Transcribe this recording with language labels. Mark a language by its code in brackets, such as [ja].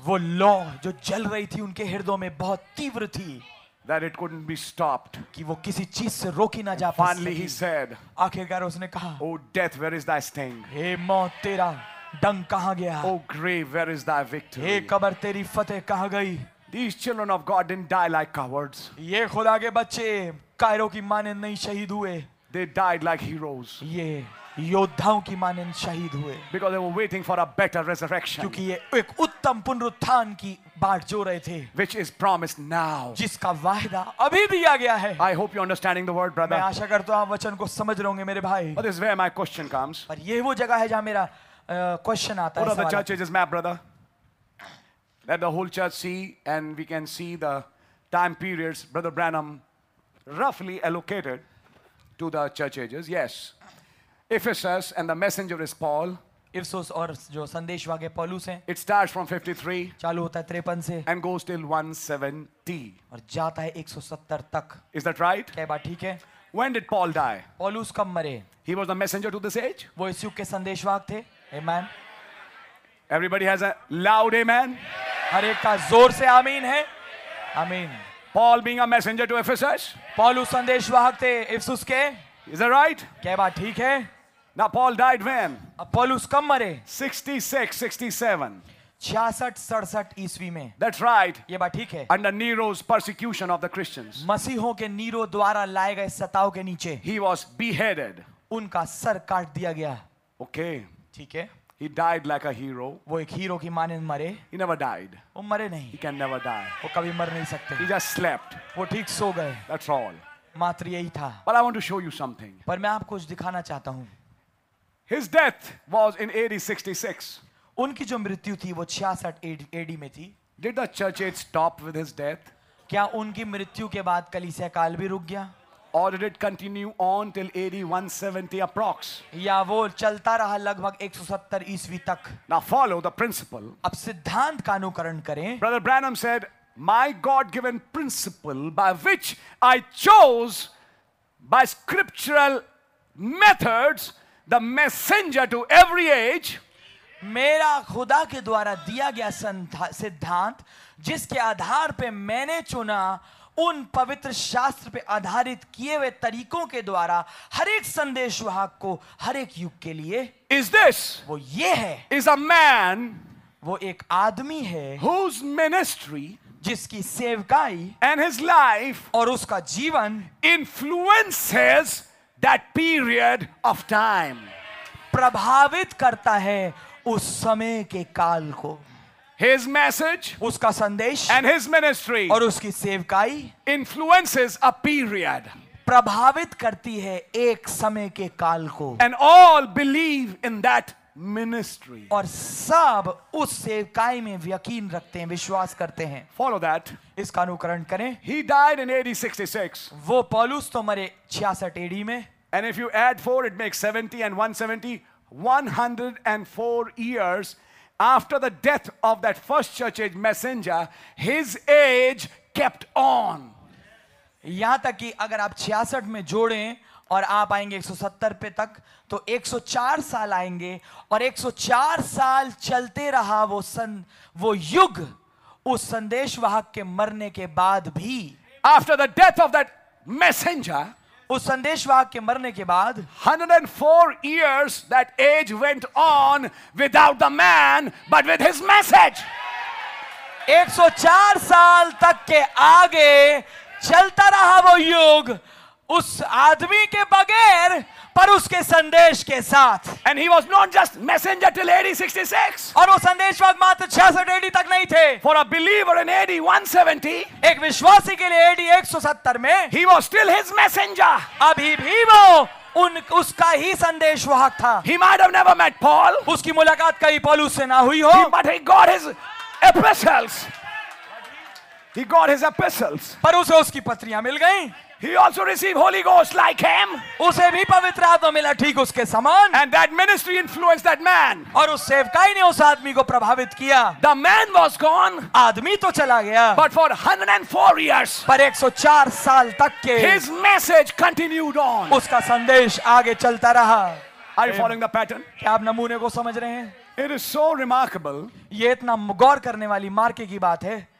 [hi] वो लौ जो जल रही थी उनके हृदयों में बहुत तीव्र थी. [en] That it couldn't be stopped. [hi] कि वो किसी चीज़ से रोकी ना जा पाई. [en] Finally he said. [hi] आखिरकार उसने कहा. [en] Oh death, where is thy sting? [hi] हे मौत, तेरा डंग कहाँ गया? [en] Oh grave, where is thy victory? [hi] हे कब्र, तेरी फतेह कहाँ गई? [en] These children of God didn't die like cowards. [hi] ये खुदा के बच्चे कायरों की मानें नहीं शहीद हुए. [en] They died like heroes. [hi] ये योद्धाओं की मानें शहीद हुए. [en] Because they were waiting for a better resurrection. [hi] क्योंकि ये एक उत्तम पुनरुत्थान की बाट जो रहे थे. [en] Which is promised now. [hi] जिसका वायदा अभी दिया गया है. [en] I hope you're understanding the word, brother. [hi] मैं आशा करता हूँ आप वचन को समझ रहे होंगे मेरे भाई. [en] But this is where my question comes. [hi] पर ये वो जगह है जहाँ मेरा question आता है. [en] What are the churches, my brother? Let the whole church see, and we can see the time periods, brother Branham, roughly allocated to the church ages. Yes. Ephesus and the messenger is Paul. [hi] Ephesus और जो संदेश वागे पौलुस हैं. [en] It starts from 53. [hi] चालू होता है 53 से. [en] And goes till 170. [hi] और जाता है 170 तक. [en] Is that right? [hi] क्या बात, ठीक है. [en] When did Paul die? [hi] पौलुस कब मरे? [en] He was the messenger to this age. [hi] वो इस युग के संदेश वाग थे. Amen. [en] Everybody has a loud amen. [hi] हर एक का जोर से आमीन है. आमीन. [en] Paul being a messenger to Ephesus. [hi] पौलुस संदेश वाग थे इफिसुस के. [en] Is that right? [hi] क्या बात, ठीक है. [en] Now Paul died when? [hi] अब पौलुस कब मरे? [en] 66-67. [hi] 66-67 ईस्वी में. [en] That's right. [hi] ये बात ठीक है. [en] Under Nero's persecution of the Christians. [hi] मसीहों के नीरो द्वारा लाए गए सताव के नीचे. [en] He was beheaded. [hi] उनका सर काट दिया गया. [en] Okay. [hi] ठीक है. [en] He died like a hero. [hi] वो एक हीरो की मानिंद मरे. [en] He never died. [hi] वो मरे नहीं. [en] He can never die. [hi] वो कभी मर नहीं सकते. [en] He just slept. [hi] वो ठीक सो गए. [en] That's all. [hi] मात्र यही था. [en] But I want to show you something. [hi] पर मैं आपको कुछ दिखाना चाहता हूँ. [en] His death was in AD 66. [hi] उनकी जो मृत्यु थी वो 66 एडी में थी. [en] Did the church age stop with his death? [hi] क्या उनकी मृत्यु के बाद कलीसिया काल भी रुक गया? [en] ordered it continue on till AD 170 approx. [hi] या वो चलता रहा लगभग 170 ईस्वी तक. [en] Now follow the principle. [hi] अब सिद्धांत का अनुकरण करें. [en] Brother Branham said, "My God-given principle by which I chose by scriptural methods the messenger to every age." [hi] मेरा खुदा के द्वारा दिया गया सिद्धांत जिसके आधार पे मैंने चुना उन पवित्र शास्त्र पे आधारित किए हुए तरीकों के द्वारा हर एक संदेश वाहक को हर एक युग के लिए [en] is this [hi] वो ये है [en] is a man [hi] वो एक आदमी है [en] whose ministry [hi] जिसकी सेवकाई [en] and his life [hi] और उसका जीवन [en] influences that period of time [hi] प्रभावित करता है उस समय के काल को [en] His message [hi] उसका संदेश [en] and his ministry [hi] और उसकी सेवकाई [en] influences a period [hi] प्रभावित करती है एक समय के काल को [en] and all believe in that ministry [hi] और सब उस सेवकाई में यकीन रखते हैं विश्वास करते हैं [en] follow that [hi] इसका अनुकरण करें [en] he died in AD 66 [hi] वो पौलुस तो मरे 66 AD में [en] and if you add 4 it makes 70 and 170 104 years After the death of that first church age messenger, his age kept on. [hi] यहाँ तक कि अगर आप 66 में जोड़ें और आप आएंगे 170 पे तक, तो 104 साल आएंगे और 104 साल चलते रहा वो युग उस संदेश वाहक के मरने के बाद भी. [en] After the death of that messenger, [hi] उस संदेश वाहक के मरने के बाद [en] 104 years that age went on without the man but with his message [hi] 104 साल तक के आगे चलता रहा वो युग उस आदमी के बगैर पर उसके संदेश के साथ [en] and he was not just messenger till AD 66 [hi] और वो संदेश वाहक मात्र 66 AD तक नहीं थे [en] for a believer in AD 170 [hi] एक विश्वासी के लिए AD 170 में [en] he was still his messenger [hi] अभी भी वो उसका ही संदेश वाहक था [en] he might have never met paul [hi] उसकी मुलाकात कभी पौलुस से ना हुई हो [en] but he got his epistles he got his epistles [hi] पर उसे उसकी पत्रियां मिल गईं [en] He also received Holy Ghost like him. [hi] उसे भी पवित्र आत्मा मिला ठीक उसके समान. [en] And that ministry influenced that man. [hi] और उस सेवकाई ने उस आदमी को प्रभावित किया. [en] The man was gone. [hi] आदमी तो चला गया. [en] But for 104 years. [hi] पर 104 साल तक के. [en] His message continued on. [hi] उसका संदेश आगे चलता रहा. [en] Are you following the pattern? [hi] क्या आप नमूने को समझ रहे हैं? [en] It is so remarkable. [hi] ये इतना गौर करने वाली मार्के की बात है.